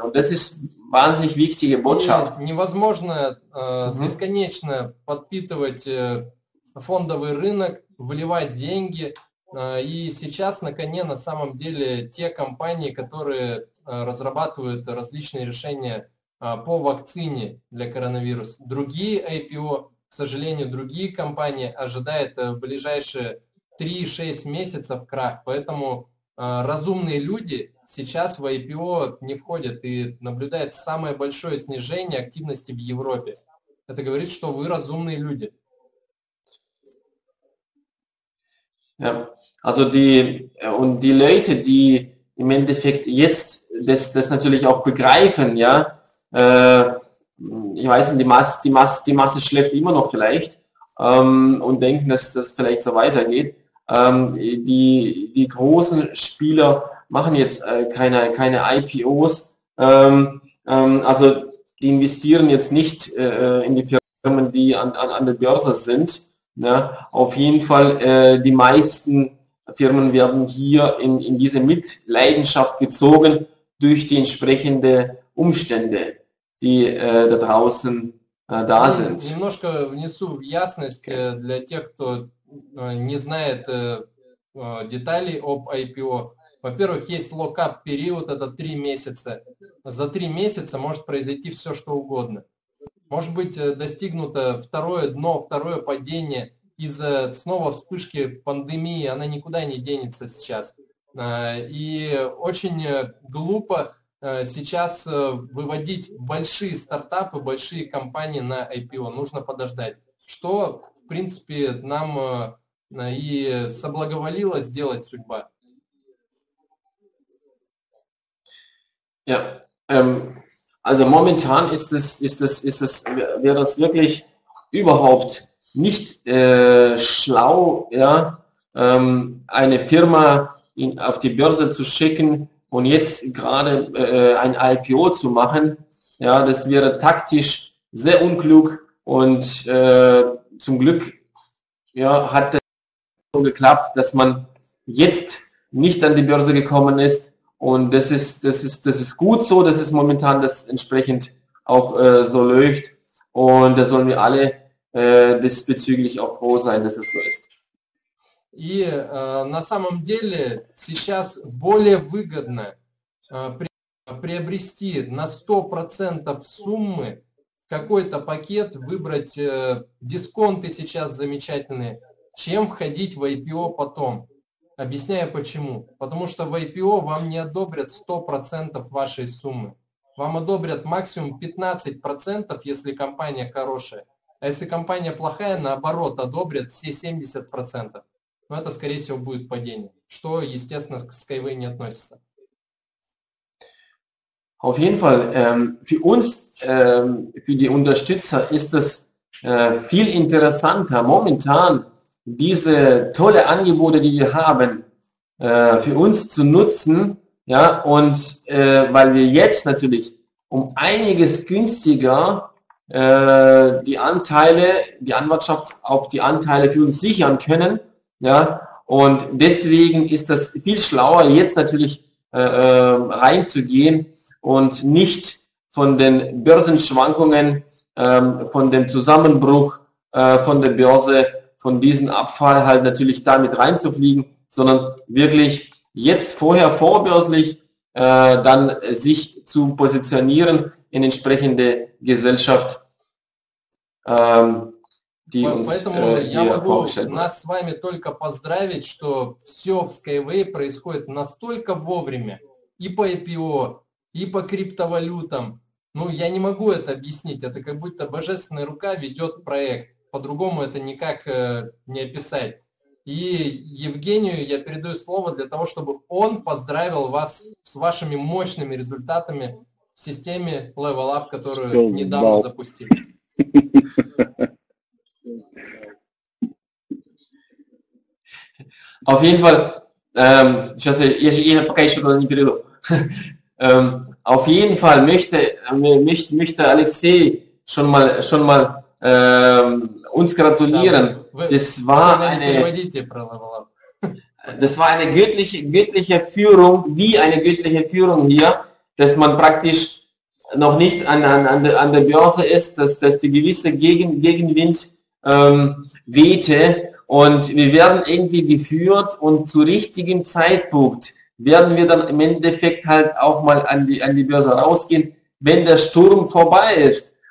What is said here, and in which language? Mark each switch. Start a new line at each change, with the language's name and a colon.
German: Und das ist wahnsinnig wichtige Botschaft.
Russian: Невозможно бесконечно подпитывать фондовый рынок, вливать деньги. И сейчас на коне на самом деле те компании, которые разрабатывают различные решения по вакцине для коронавируса. Другие IPO, к сожалению, другие компании ожидают в ближайшие 3-6 месяцев крах. Поэтому разумные люди сейчас в IPO не входят и наблюдают самое большое снижение активности в Европе. Это говорит, что вы разумные люди.
German: Ja, also die Leute, die im Endeffekt jetzt das natürlich auch begreifen, ja, ich weiß nicht, die Masse schläft immer noch vielleicht und denken, dass das vielleicht so weitergeht. Die großen Spieler machen jetzt keine IPOs, also die investieren jetzt nicht in die Firmen, die an der Börse sind. Ja, auf jeden Fall, die meisten Firmen werden hier in diese Mitleidenschaft gezogen durch die entsprechenden Umstände, die da draußen da sind.
Russian: Немножко внесу в ясность для тех, кто не знает деталей об IPO. Во-первых, есть lock-up период, это 3 месяца. За 3 месяца может произойти все, что угодно. Может быть достигнуто второе дно, второе падение из-за снова вспышки пандемии, она никуда не денется сейчас. И очень глупо сейчас выводить большие стартапы, большие компании на IPO. Нужно подождать. Что, в принципе, нам и соблаговолило сделать судьба.
English: Yeah.
German: Also momentan wäre das wirklich überhaupt nicht schlau, ja, eine Firma auf die Börse zu schicken und jetzt gerade ein IPO zu machen. Ja, das wäre taktisch sehr unklug und zum Glück, ja, hat das so geklappt, dass man jetzt nicht an die Börse gekommen ist. Und das ist gut so, dass es momentan das entsprechend auch so läuft. Und da sollen wir alle diesbezüglich auch froh sein, dass es so ist.
Russian: И на самом деле сейчас более выгодно приобрести на 100% суммы какой-то пакет, выбрать дисконты сейчас замечательные, чем входить в IPO потом. Объясняю почему. Потому что в IPO вам не одобрят 100% вашей суммы. Вам одобрят максимум 15%, если компания хорошая. А если компания плохая, наоборот, одобрят все 70%. Но это, скорее всего, будет падение. Что, естественно, к Skyway не относится.
German: Auf jeden Fall, für uns, für die Unterstützer ist es viel interessanter momentan, diese tolle Angebote, die wir haben, für uns zu nutzen, ja, und weil wir jetzt natürlich um einiges günstiger die Anteile, die Anwartschaft auf die Anteile für uns sichern können, ja, und deswegen ist das viel schlauer, jetzt natürlich reinzugehen und nicht von den Börsenschwankungen, von dem Zusammenbruch von der Börse, von diesem Abfall halt natürlich damit reinzufliegen, sondern wirklich jetzt vorher vorbörslich dann sich zu positionieren in entsprechende Gesellschaft, die uns hier vorgestellt wird.
Russian: Нас с вами только поздравить, что все в Skyway происходит настолько вовремя и по IPO, и по криптовалютам. Ну, я не могу это объяснить. Это как будто божественная рука ведет проект. По-другому это никак не описать. И Евгению я передаю слово для того, чтобы он поздравил вас с вашими мощными результатами в системе Level Up, которую все недавно дал. Запустили.
German: Auf jeden Fall,
Russian: сейчас я пока еще туда не перейду.
German: Auf jeden Fall möchte Алексей schon mal uns gratulieren. Das war eine göttliche Führung, wie eine göttliche Führung hier, dass man praktisch noch nicht an der Börse ist, dass die gewisse Gegenwind wehte und wir werden irgendwie geführt und zu richtigem Zeitpunkt werden wir dann im Endeffekt halt auch mal an die Börse rausgehen, wenn der Sturm vorbei ist.